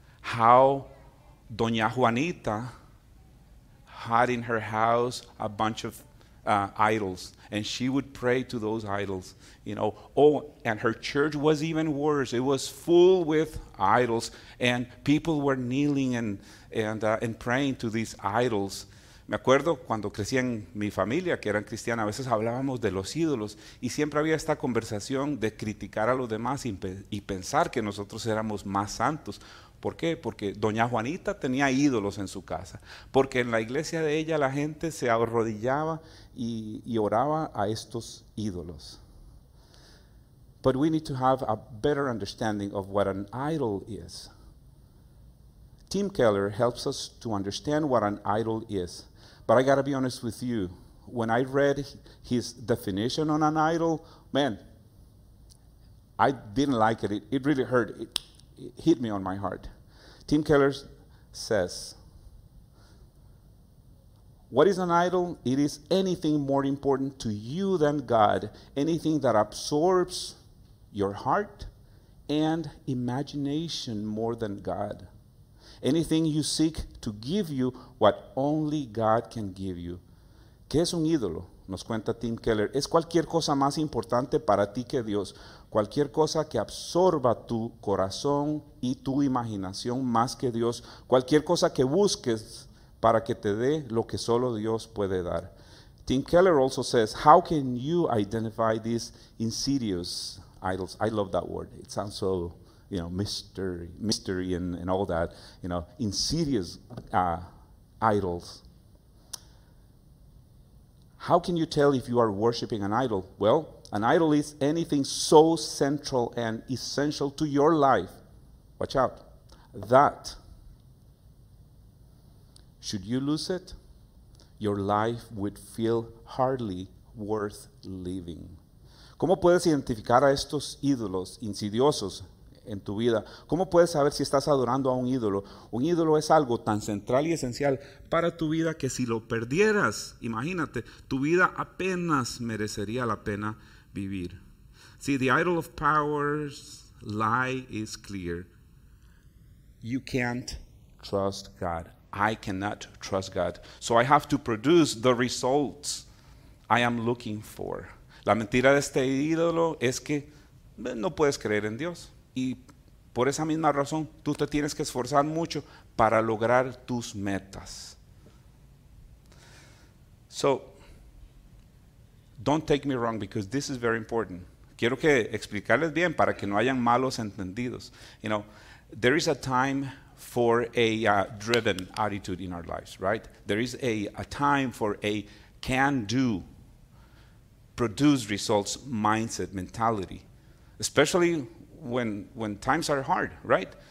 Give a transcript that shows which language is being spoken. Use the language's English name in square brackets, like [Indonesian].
[English] How Doña Juanita had in her house a bunch of idols, and she would pray to those idols, you know. Oh, and her church was even worse. It was full with idols, and people were kneeling and praying to these idols. [Spanish] Me acuerdo cuando crecí en mi familia, que eran cristianas, a veces hablábamos de los ídolos, y siempre había esta conversación de criticar a los demás y pensar que nosotros éramos más santos. ¿Por qué? Porque Doña Juanita tenía ídolos en su casa. Porque en la iglesia de ella la gente se arrodillaba y oraba a estos ídolos. [English] But we need to have a better understanding of what an idol is. Tim Keller helps us to understand what an idol is. But I got to be honest with you. When I read his definition on an idol, man, I didn't like it. It really hurt. It hit me on my heart. Tim Keller says, what is an idol? It is anything more important to you than God, anything that absorbs your heart and imagination more than God, anything you seek to give you what only God can give you. [Spanish] ¿Qué es un ídolo? Nos cuenta Tim Keller. Es cualquier cosa más importante para ti que Dios. Cualquier cosa que absorba tu corazón y tu imaginación más que Dios. Cualquier cosa que busques para que te dé lo que solo Dios puede dar. [English] Tim Keller also says, how can you identify these insidious idols? I love that word. It sounds so, you know, mystery and all that. You know, insidious idols. How can you tell if you are worshiping an idol? Well, an idol is anything so central and essential to your life, watch out, that should you lose it, your life would feel hardly worth living. [Spanish] ¿Cómo puedes identificar a estos ídolos insidiosos en tu vida? ¿Cómo puedes saber si estás adorando a un ídolo? Un ídolo es algo tan central y esencial para tu vida que si lo perdieras, imagínate, tu vida apenas merecería la pena vivir. [English] See, the idol of power's lie is clear. You can't trust God. I cannot trust God. So I have to produce the results I am looking for. [Spanish] La mentira de este ídolo es que no puedes creer en Dios. Y por esa misma razón, tú te tienes que esforzar mucho para lograr tus metas. [English] So, don't take me wrong, because this is very important. [Spanish] Quiero que explicarles bien para que no hayan malos entendidos. [English] You know, there is a time for a driven attitude in our lives, right? There is a time for a can-do, produce results mindset, mentality, especially when times are hard, right?